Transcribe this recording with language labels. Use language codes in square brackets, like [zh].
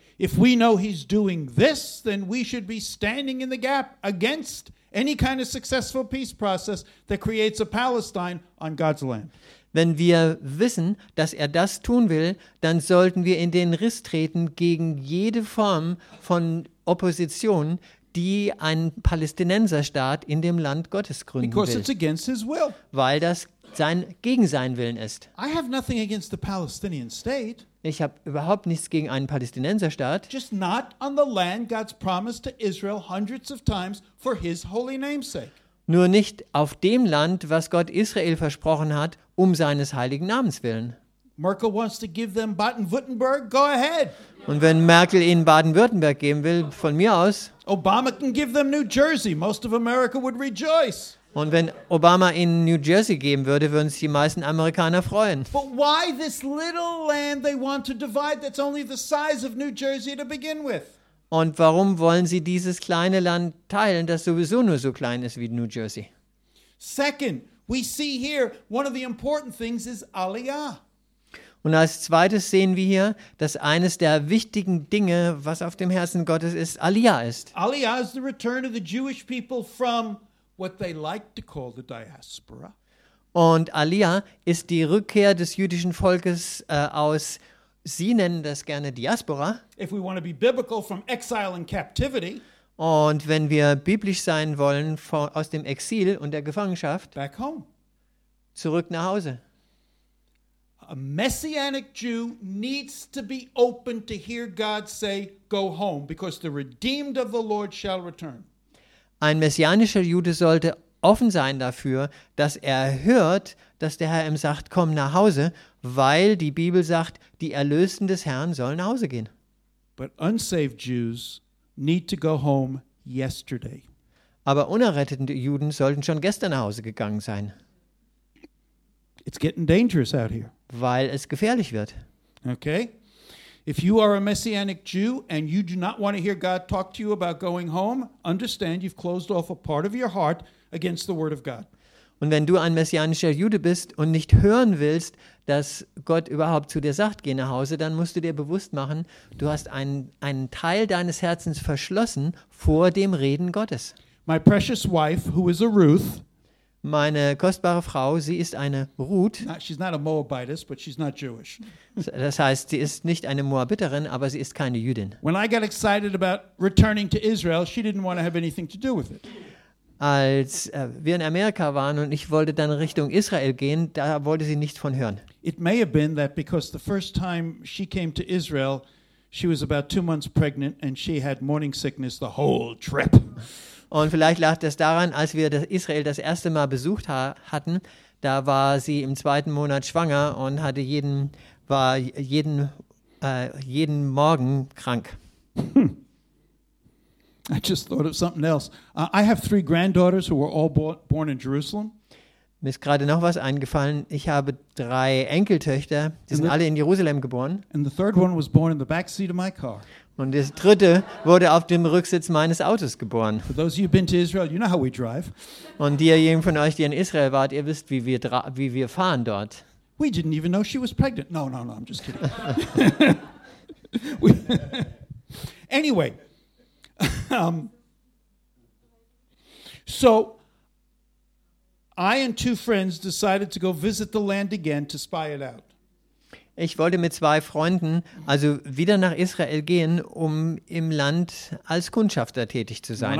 [en] If we know he's doing this, then we should be standing in the gap against any kind of successful peace process that creates a Palestine on God's land. [de] Wenn wir wissen, dass er das tun will, dann sollten wir in den Riss treten gegen jede Form von Opposition, die ein Palästinenserstaat in dem Land Gottes gründen [en] Because [de] will. [en] It's against his will. [de] Weil das gegen seinen Willen ist. [en] I have nothing against the Palestinian state. [de] Ich habe überhaupt nichts gegen einen Palästinenserstaat. [en] Just not on the land God's promised to Israel hundreds of times for his holy name's sake. [de] Nur nicht auf dem Land, was Gott Israel versprochen hat, um seines heiligen Namens willen. [en] Merkel wants to give them Baden-Württemberg, go ahead. [de] Und wenn Merkel ihnen Baden-Württemberg geben will, von mir aus. [en] Obama can give them New Jersey, most of America would rejoice. [de] Und wenn Obama ihnen New Jersey geben würde, würden sich die meisten Amerikaner freuen. [en] But why this little land they want to divide that's only the size of New Jersey to begin with? [de] Und warum wollen sie dieses kleine Land teilen, das sowieso nur so klein ist wie New Jersey? [en] Second, we see here one of the important things is Aliyah. [de] Und als zweites sehen wir hier, dass eines der wichtigen Dinge, was auf dem Herzen Gottes ist, Aliyah ist. [en] Aliyah is the return of the Jewish people from what they like to call the diaspora. [de] Und Aliyah ist die Rückkehr des jüdischen Volkes aus, sie nennen das gerne Diaspora. [en] If we want to be biblical, from exile and captivity. [de] Und wenn wir biblisch sein wollen, aus dem Exil und der Gefangenschaft, [en] back home. [de] Zurück nach Hause. [en] A messianic Jew needs to be open to hear God say, go home, because the redeemed of the Lord shall return. [de] Ein messianischer Jude sollte offen sein dafür, dass er hört, dass der Herr ihm sagt, komm nach Hause, weil die Bibel sagt, die Erlösten des Herrn sollen nach Hause gehen. [en] But unsaved Jews need to go home yesterday. [de] Aber unerrettete Juden sollten schon gestern nach Hause gegangen sein. [en] It's getting dangerous out here. [de] Weil es gefährlich wird. [en] Okay. If you are a messianic Jew and you do not want to hear God talk to you about going home, understand you've closed off a part of your heart against the word of God. [de] Und wenn du ein messianischer Jude bist und nicht hören willst, dass Gott überhaupt zu dir sagt, geh nach Hause, dann musst du dir bewusst machen, du hast einen Teil deines Herzens verschlossen vor dem Reden Gottes. [en] My precious wife, who is a Ruth, [de] meine kostbare Frau, sie ist eine Ruth. [en] She's not a Moabitess, but she's not Jewish. [de] Das heißt, sie ist nicht eine Moabiterin, aber sie ist keine Jüdin. [en] When I got excited about returning to Israel, she didn't want to have anything to do with it. [de] Als wir in Amerika waren und ich wollte dann Richtung Israel gehen, da wollte sie nichts von hören. [en] It may have been that because the first time she came to Israel, she was about 2 months pregnant and she had morning sickness the whole trip. [de] Und vielleicht lag das daran, als wir Israel das erste Mal besucht hatten, da war sie im zweiten Monat schwanger und hatte jeden Morgen krank. [en] I just thought of something else. I have 3 granddaughters who were all born in Jerusalem. [de] Mir ist gerade noch was eingefallen. Ich habe 3 Enkeltöchter, die sind alle in Jerusalem geboren. [en] And the third one was born in the back seat of my car. [de] Und das dritte wurde auf dem Rücksitz meines Autos geboren. [en] For those of you who've been to Israel, you know how we drive. [de] Und diejenigen von euch, die in Israel wart, ihr wisst, wie wir fahren dort. [en] We didn't even know she was pregnant. No, I'm just kidding. Anyway, so I and 2 friends decided to go visit the land again to spy it out. [de] Ich wollte mit 2 Freunden also wieder nach Israel gehen, um im Land als Kundschafter tätig zu sein.